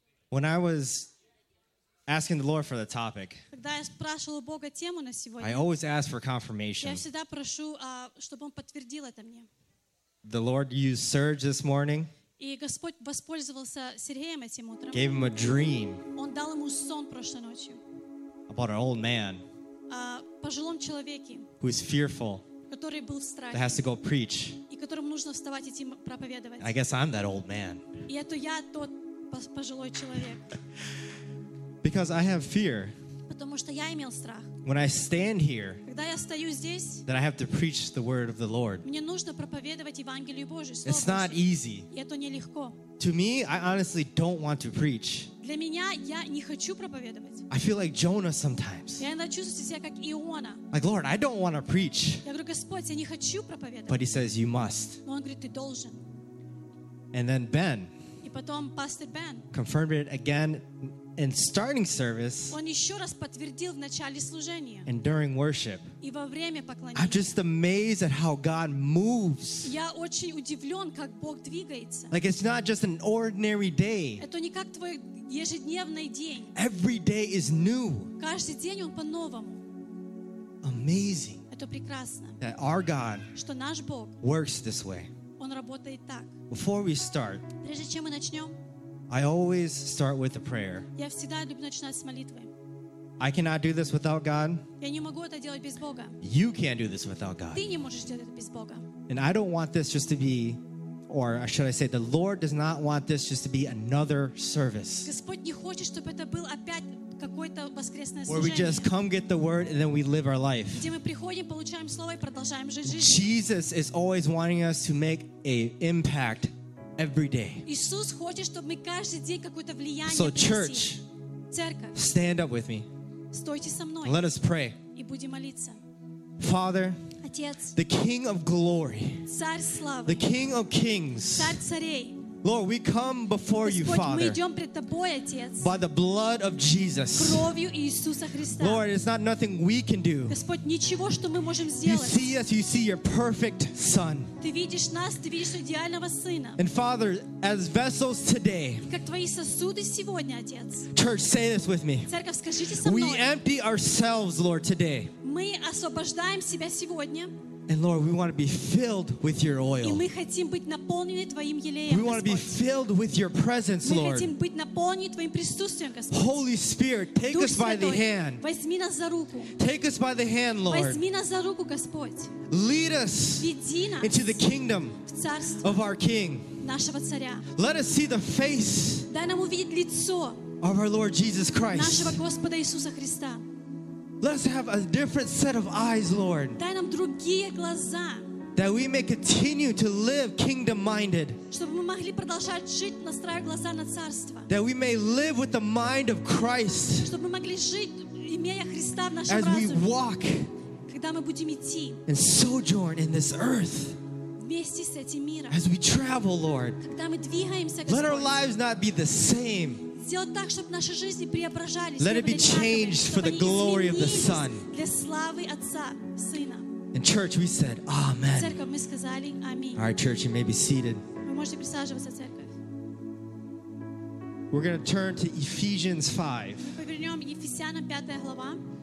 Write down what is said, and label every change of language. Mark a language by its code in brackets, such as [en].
[en] When I was asking the Lord for the topic, [ru] когда я спрашивала Бога тему на сегодня, [en] I always ask for confirmation. [ru] Я всегда прошу, чтобы Он подтвердил это мне. [en] The Lord used Serge this morning. [ru] И Господь воспользовался Сергеем этим утром. [en] Gave him a dream. [ru] Он дал ему сон прошлой ночью. [en] About an old man. [ru] Пожилом человеке, [en] who is fearful, [ru] который был в страхе, [en] that has to go preach. [ru] И которому нужно вставать идти проповедовать. [en] I guess I'm that old man. [ru] И это я тот пожилой человек. [en] Because I have fear. [ru] Потому что я имел страх. [en] When I stand here, [ru] когда я стою здесь, [en] that I have to preach the word of the Lord. [ru] Мне нужно проповедовать Евангелие Божие. [en] It's Божие. Not easy. [ru] И это нелегко. [en] To me, I honestly don't want to preach. [ru] Для меня я не хочу проповедовать. [en] I feel like Jonah sometimes. [ru] Я иногда чувствую себя как Иона. [en] Like, Lord, I don't want to preach. [ru] Я говорю, Господь, я не хочу проповедовать. [en] But he says, you must. [ru] Но он говорит, ты должен. [en] And then Ben. [ru] И потом пастор Бен. [en] Confirmed it again in starting service. [ru] Он еще раз подтвердил в начале служения. [en] And during worship. [ru] И во время поклонения. [en] I'm just amazed at how God moves. [ru] Я очень удивлен, как Бог двигается. [en] Like it's not just an ordinary day. [ru] Это не как твой ежедневный день. [en] Every day is new. [ru] Каждый день он по-новому. [en] Amazing. [ru] Это прекрасно. [en] That our God. [ru] Что наш Бог. [en] Works this way. [ru] Он работает так. [en] Before we start, [ru] прежде чем мы начнем, [en] I always start with a prayer. [ru] Я всегда люблю начинать с молитвы. [en] I cannot do this without God. [ru] Я не могу это делать без Бога. [en] You can't do this without God. [ru] Ты не можешь делать это без Бога. [en] And I don't want this just to be, or should I say, the Lord does not want this just to be another service. [ru] Господь не хочет, чтобы это был опять какое-то воскресное служение. [en] Where we just come get the word and then we live our life. [ru] Где мы приходим, получаем слово и продолжаем жить жизнь. [en] Jesus is always wanting us to make an impact every day. [ru] Иисус хочет, чтобы мы каждый день какое-то влияние [en] принесли. So church, [ru] церковь, [en] stand up with me. [ru] Стойте со мной. [en] Let us pray. [ru] И будем молиться. [en] Father, [ru] Отец, [en] the King of glory, [ru] Царь славы, [en] the King of kings, [ru] Царь царей, [en] Lord, we come before [ru] Господь, [en] you, Father, [ru] мы идем пред тобой, Отец, [en] by the blood of Jesus. [ru] Кровью Иисуса Христа. [en] Lord, it's not nothing we can do. [ru] Господь, ничего, что мы можем сделать. [en] You see us, you see your perfect Son. [ru] Ты видишь нас, ты видишь идеального Сына. [en] And Father, as vessels today, [ru] и как твои сосуды сегодня, Отец, [en] church, say this with me. [ru] Церковь, скажите со мной. [en] We empty ourselves, Lord, today. [ru] Мы освобождаем себя сегодня. [en] And Lord, we want to be filled with your oil. [ru] И мы хотим быть наполнены твоим елеем. [en] We want to be filled with your presence, Lord. [ru] Мы хотим быть наполнены твоим присутствием, Господь. [en] Holy Spirit, take us by the hand. [ru] Возьми нас за руку. [en] Take us by the hand, Lord. [ru] Возьми нас за руку, Господь. [en] Lead us into the kingdom of our King. [ru] Нашего царя. [en] Let us see the face. [ru] Дай нам увидеть лицо. [en] Of our Lord Jesus Christ. [ru] Нашего Господа Иисуса Христа. [en] Let us have a different set of eyes, Lord. [ru] Дай нам другие глаза. [en] That we may continue to live kingdom-minded. [ru] Чтобы мы могли продолжать жить, настраивая глаза на царство. [en] That we may live with the mind of Christ. [ru] Чтобы мы могли жить, имея Христа в нашем [en] разуме. As we walk. [ru] Когда мы будем идти. [en] And sojourn in this earth. [ru] Вместе с этим миром. [en] As we travel, Lord. [ru] Когда мы двигаемся, Господь. [en] Let our lives not be the same. [ru] Сделать так, чтобы наши жизни преображались. [en] Let it be changed for the glory of the Son. [ru] Для славы Отца, Сына. [en] And church, we said, Amen. [ru] Церковь, мы сказали, Аминь. [en] All right, church, you may be seated. [ru] Вы можете присаживаться, церковь. [en] We're going to turn to Ephesians 5. [ru] Мы повернем Ефесянам 5 глава.